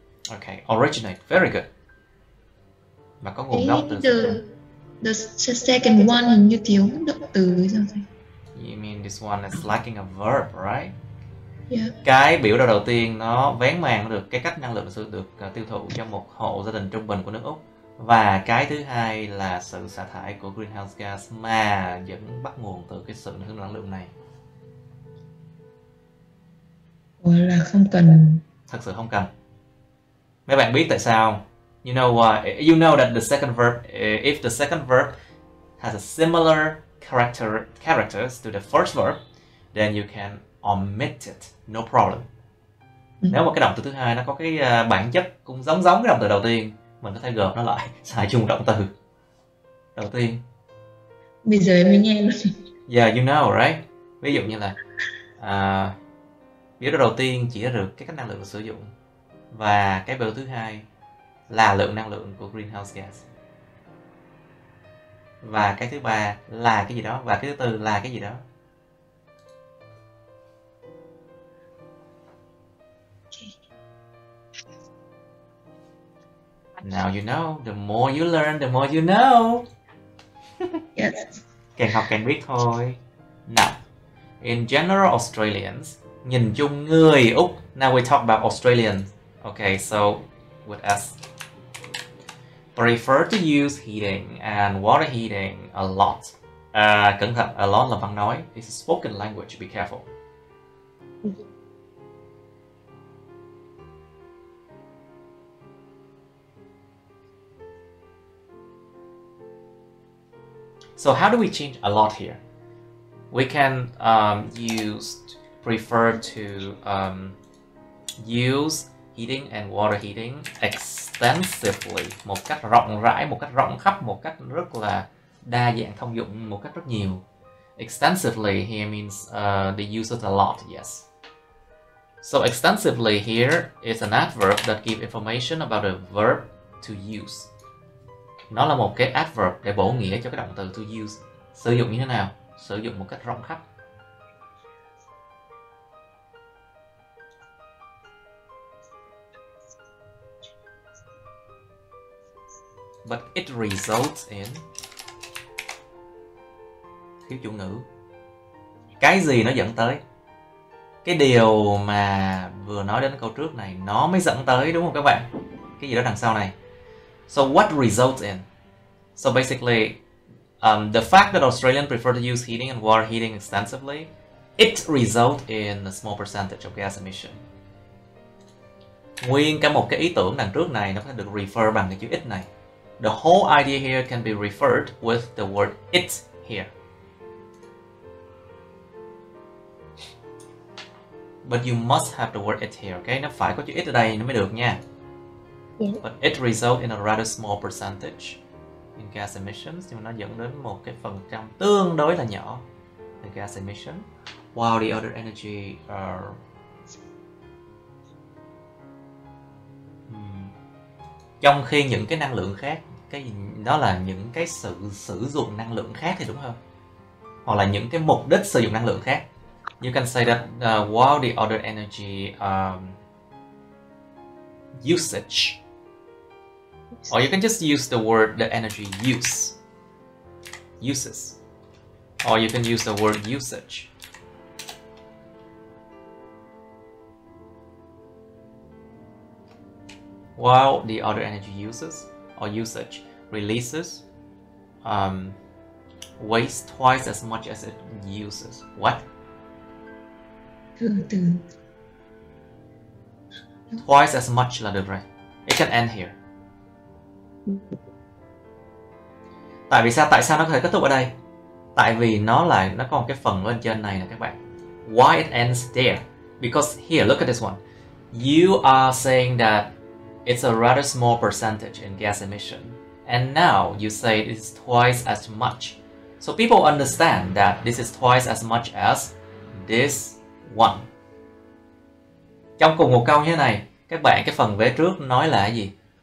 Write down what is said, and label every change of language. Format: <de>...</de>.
<en>Okay, originate, very good.</en> <vi>Mà có nguồn gốc từ</vi> <en>the second one</en> <vi>hình như thiếu động từ sao?</vi> <en>You mean this one is lacking a verb, right? Yeah.</en> <vi>Cái biểu đồ đầu tiên nó vén màn được cái cách năng lượng sử được tiêu thụ cho một hộ gia đình trung bình của nước Úc, và cái thứ hai là sự xả thải của greenhouse gas mà vẫn bắt nguồn từ cái sự hướng năng lượng này. Ủa là không cần. Thật sự không cần. Mấy bạn biết tại sao?</vi> <en>You know why? You know that the second verb, if the second verb has a similar characters to the first verb, then you can omit it. No problem.</en> <vi>Nếu mà cái động từ thứ hai nó có cái bản chất cũng giống giống cái động từ đầu tiên, mình có thể gộp nó lại xài chung động từ đầu tiên. Bây giờ em mới nghe luôn.</vi> <en>Yeah, you know, right?</en> <vi>Ví dụ như là biểu đồ đầu tiên chỉ được cái cách năng lượng sử dụng, và cái biểu thứ hai là lượng năng lượng của greenhouse gas, và cái thứ ba là cái gì đó, và cái thứ tư là cái gì đó.</vi> <en>Now you know, the more you learn, the more you know.</en> <vi>Càng học càng biết thôi.</vi> <en>Now, in general Australians,</en> <vi>nhìn chung người Úc.</vi> <en>Now we talk about Australians. Okay, so with us, prefer to use heating and water heating a lot.</en> <vi>Cẩn thận, a lot là văn nói.</vi> <en>This is spoken language, be careful. So how do we change a lot here? We can use prefer to use heating and water heating extensively,</en> <vi>một cách rộng rãi, một cách rộng khắp, một cách rất là đa dạng thông dụng, một cách rất nhiều.</vi> <en>Extensively here means they use it a lot, yes. So extensively here is an adverb that gives information about a verb to use.</en> <vi>Nó là một cái adverb để bổ nghĩa cho cái động từ to use. Sử dụng như thế nào? Sử dụng một cách rộng khắp.</vi> <en>But it results in</en> <vi>thiếu chủ ngữ. Cái gì nó dẫn tới? Cái điều mà vừa nói đến câu trước này nó mới dẫn tới, đúng không các bạn? Cái gì đó đằng sau này.</vi> <en>So what results in? So basically, the fact that Australians prefer to use heating and water heating extensively, it results in a small percentage of gas emission.</en> <vi>Nguyên cả một cái ý tưởng đằng trước này nó có thể được refer bằng cái chữ it này.</vi> <en>The whole idea here can be referred with the word it here. But you must have the word it here, okay?</en> <vi>Nó phải có chữ it ở đây nó mới được nha.</vi> <en>But it results in a rather small percentage in gas emissions,</en> <vi>nhưng mà nó dẫn đến một cái phần trăm tương đối là nhỏ</vi> <en>the gas emission, while the other energy are</en> <vi>trong khi những cái năng lượng khác, cái đó là những cái sự sử dụng năng lượng khác thì đúng hơn, hoặc là những cái mục đích sử dụng năng lượng khác.</vi> <en>You can say that while the other energy usage. Or you can just use the word the energy use. Uses. Or you can use the word usage. While the other energy uses or usage releases waste twice as much as it uses. What? Twice as much</en> <vi>là được rồi.</vi> <en>It can end here.</en> <vi>Tại vì sao? Tại sao nó có thể kết thúc ở đây? Tại vì nó là nó có một cái phần bên trên này nè các bạn.</vi> <en>Why it ends there? Because here, look at this one. You are saying that it's a rather small percentage in gas emission. And now you say it's twice as much. So people understand that this is twice as much as this one.</en> <vi>Trong cùng một câu như thế này, các bạn cái phần vế trước nói là cái gì?</vi>